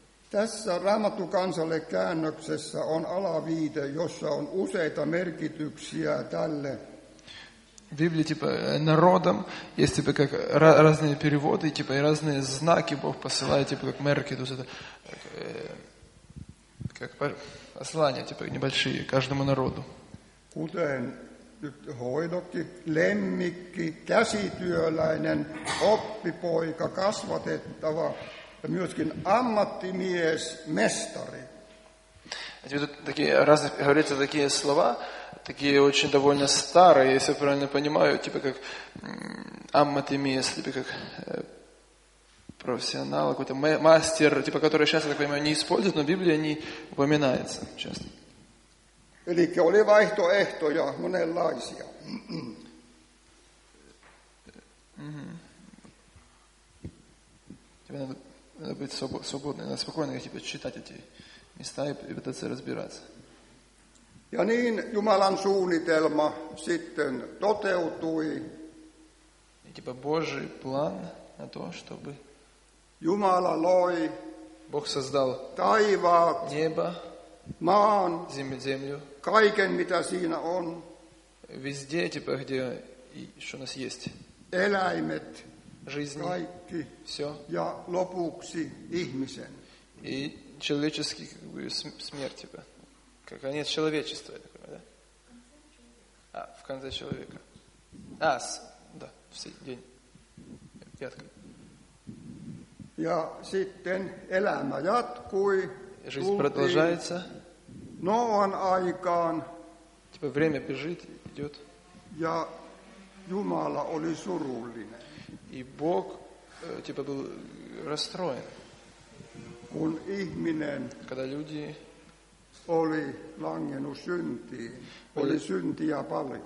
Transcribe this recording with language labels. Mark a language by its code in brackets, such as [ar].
[fi] Tässä Raamattu kansalle käännöksessä on alaviite, jossa on useita merkityksiä tälle. [ru] В Библии типа народом есть типа как разные переводы типа и разные знаки Бог посылает типа как мерки, то есть это как послания типа небольшие каждому народу. [fi] Kuten hoidokki, lemmikki, käsityöläinen, oppipoika, kasvatettava ja myöskin ammattimies, mestari. [ru] Эти вот такие разные говорится такие слова. Такие очень довольно старые, если я правильно понимаю, типа как аммат и мес, типа как профессионал, какой-то мастер, типа, который сейчас, я так понимаю, не использует, но в Библии не упоминается часто. [fi] Elikkä oli vaihtoehtoja monenlaisia. [ru] Тебе надо быть свободным, надо спокойно типа, читать эти места и пытаться разбираться. [fi] Ja niin Jumalan suunnitelma sitten toteutui. [ru] И типа Божий план на то, чтобы [fi] Jumala loi [ru] Бог создал [fi] taivaat, [ru] небо, [fi] maan, [ru] землю, [fi] kaiken mitä siinä on. [ru] Везде, типа, где, что у нас есть. [fi] Eläimet, [ru] жизни, [fi] kaikki, [ru] все. [fi] Ja lopuksi ihmisen. [ru] И человеческий, как бы, смерть, типа. Как конец человечества, я понимаю, да? А, в конце человека. А, с, да, в день. Пятка. [fi] Ja sitten elämä jatkui. [ru] Жизнь продолжается. [fi] Ноан айкан. [ru] Типа время бежит, идет. [fi] Ja Jumala oli surullinen. [ru] И Бог типа был расстроен. [fi] Kun ihminen [ru] когда люди [fi] oli langenut syntiin, oli syntiä paljon.